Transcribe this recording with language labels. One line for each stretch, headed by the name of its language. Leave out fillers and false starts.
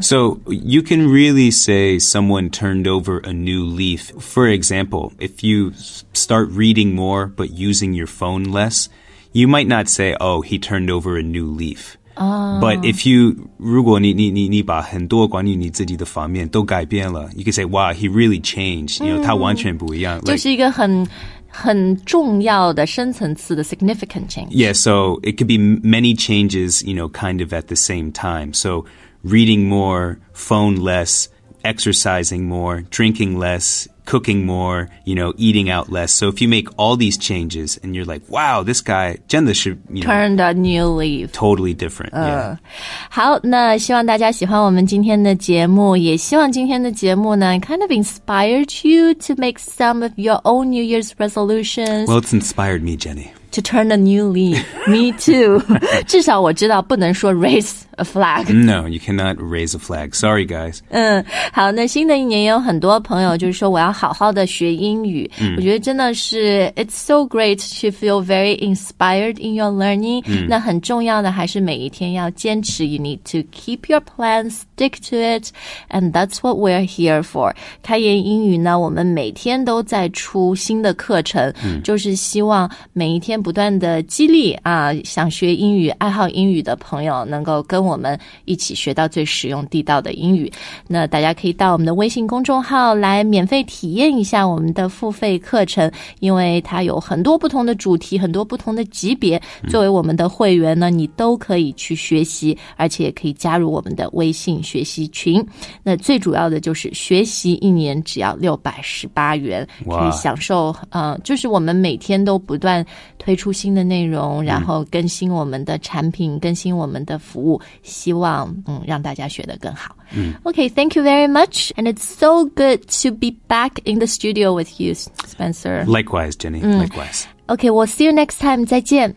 English: So you can really say someone turned over a new leaf. For example, if you start start reading more but using your phone less, you might not say, oh, he turned over a new leaf.
Chinese: But if you, 如果你把很多关于你自己的方面都改变了, you can say, wow, he really changed. You know, 他完全不一样。就是一个很重要的深层次的 significant change.
English: Yeah, so it could be many changes, you know, kind of at the same time. So reading more, phone less, exercising more, drinking less, cooking more, you know, eating out less. So if you make all these changes and you're like, wow, this guy 真的是 turned a new leaf. Totally different. Yeah.
Chinese: 好，那希望大家喜欢我们今天的节目，也希望今天的节目呢 kind of inspired you to make some of your own New Year's resolutions.
English: Well, it's inspired me, Jenny. To turn a new leaf. Me too.
Chinese: 至少我知道不能说 race.
English: A flag. No, you cannot raise a flag. Sorry, guys.
Chinese: 好，那新的一年有很多朋友就是说我要好好的学英语。
English: 我觉得真的是 it's so great to feel very inspired in your learning.
Chinese: 那很重要的还是每一天要坚持 You need to keep your plan, stick to it.
English: And that's what we're here for.
Chinese: 开言英语呢，我们每天都在出新的课程，就是希望每一天不断的激励啊，想学英语、爱好英语的朋友能够跟我们一起学到最实用地道的英语，那大家可以到我们的微信公众号来免费体验一下我们的付费课程，因为它有很多不同的主题，很多不同的级别，作为我们的会员呢，你都可以去学习，而且也可以加入我们的微信学习群，那最主要的就是学习一年只要618元，可以享受、就是我们每天都不断推出新的内容，然后更新我们的产品，更新我们的服务，希望让大家学得更好。
English: Okay, thank you very much. And it's so good to be back in the studio with you, Spencer. Likewise, Jenny. Likewise. Okay, we'll see you next time. 再见。